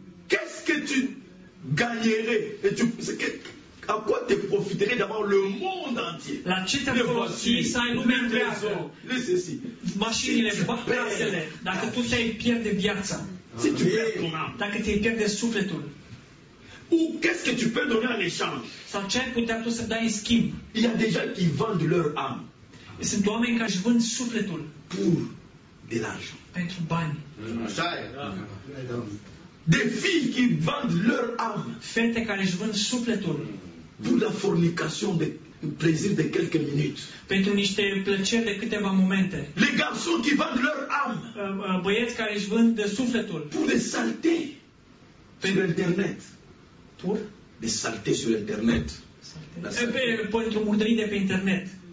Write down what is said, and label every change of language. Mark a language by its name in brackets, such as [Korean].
[French] Qu'est-ce que tu gagnerais et tu à quoi te profiterait d'avoir le monde entier? [Romanian] La ce te-ar folosi să ai lumea întreagă? Lise-si. Mașinile, casele, dacă tu te-ai pierde viața. [French] Si tu pierzi ton âme. [Romanian] Dacă te-ai pierde sufletul. [French] Ou qu'est-ce que tu peux donner en échange? [Romanian] Sau ce ai putea tu să dai în schimb? [French] Il y a des gens qui vendent leur âme. [Romanian] Sunt oameni care își vând sufletul. [French] Pour de l'argent. [Romanian] Pentru bani. Așa e. [French] Des filles qui vendent leur âme. [Romanian] Fete care își vând sufletul. [French] Pour la fornication de plaisir de quelques minutes. [Romanian] Pentru niște plăceri de câteva momente. [French] Les garçons qui vendent leur âme. [Romanian] Băieți care își vând de sufletul. [French] Pour des saletés. [Romanian] Pentru internet. [French] Pour des saletés sur internet. [Romanian] Pentru murdării de pe internet.